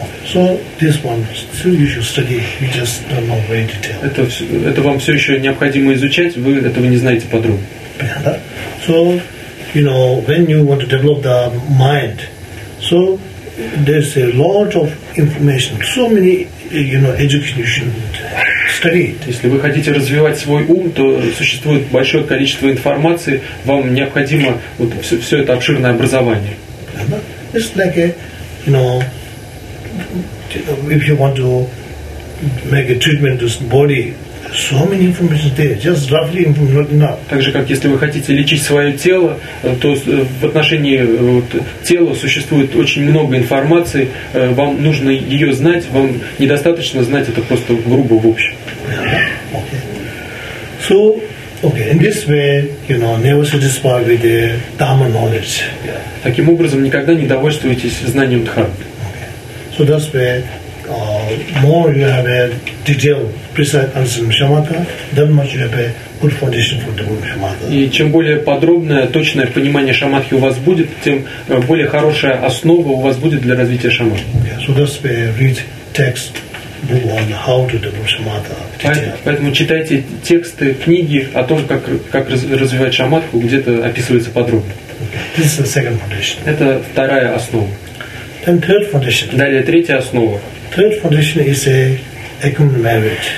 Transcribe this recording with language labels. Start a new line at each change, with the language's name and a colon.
English: So this one, so you should study. You just don't know very detail.
Russian: Это вам все еще необходимо изучать. Вы этого не знаете подробно.
English: So, you know, when you want to develop the mind, so there's a lot of information, so many, you know, education studied.
Russian: Если вы хотите развивать свой ум, то существует большое количество информации, вам необходимо вот все это обширное образование.
English: It's like if you want to make a treatment to body. So many information there, just roughly not enough.
Russian: Так же, как если вы хотите лечить свое тело, то в отношении вот, тела существует очень много информации. Вам нужно ее знать, вам недостаточно знать это просто грубо в общем.
English: In this way, you know, never satisfied with the dharma knowledge.
Russian: Таким образом, никогда не довольствуйтесь знанием дхармы.
English: Okay. So that's where more you have a detailed, precise understanding of shamatha, that much you have a good foundation for developing shamatha.
Russian: И чем более подробное, точное понимание шамадхи у вас будет, тем более хорошая основа у вас будет для развития шамадхи.
English: Okay, so that's where you read text book on how to develop shamatha.
Russian: Поэтому читайте тексты, книги о том, как развивать шамадху, где-то описывается подробно.
English: Okay. This is the second foundation.
Russian: Это вторая основа.
English: Then third foundation.
Russian: Далее третья основа.
English: Third foundation is a accumulated merit.